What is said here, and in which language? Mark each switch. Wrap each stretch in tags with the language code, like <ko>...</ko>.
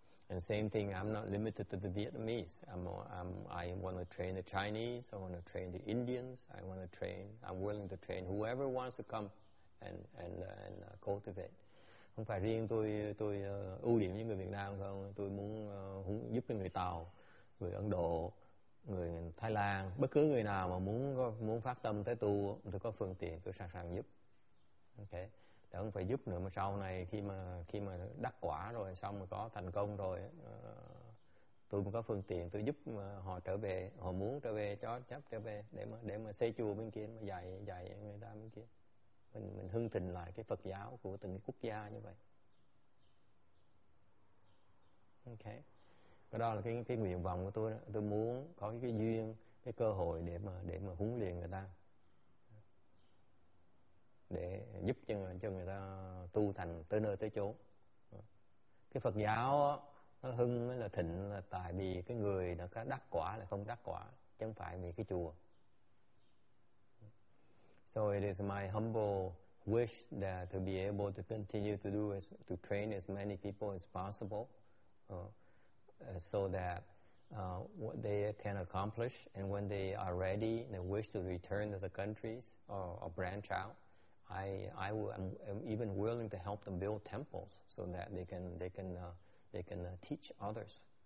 <en>And same thing, I'm not limited to the Vietnamese. I want to train the Chinese. I want to train the Indians. I'm willing to train whoever wants to come and cultivate.</en> <vi>Không phải riêng tôi ưu điểm với người Việt Nam không, tôi muốn giúp cho người Tàu, người Ấn Độ, người Thái Lan, bất cứ người nào mà muốn phát tâm tới tu, tôi có phương tiện, tôi sẵn sàng giúp. Ok, đỡ không phải giúp nữa mà sau này khi mà đắc quả rồi, xong rồi có thành công rồi, tôi cũng có phương tiện, tôi giúp họ trở về, họ muốn trở về cho chấp trở về để mà xây chùa bên kia, mà dạy người ta bên kia. Mình hưng thịnh lại cái Phật giáo của từng cái quốc gia như vậy. Ok. Cái đó là cái nguyện vọng của tôi đó. Tôi muốn có cái duyên, cái cơ hội để mà huấn luyện người ta. Để giúp cho người ta tu thành tới nơi tới chốn. Cái Phật giáo đó, nó hưng là thịnh là tại vì cái người nó có đắc quả là không đắc quả, chứ không phải vì cái chùa.</vi> <en>So it is my humble wish that to be able to continue to do is to train as many people as possible so that what they can accomplish, and when they are ready and they wish to return to the countries or branch out, I am even willing to help them build temples so that they can teach others.</en>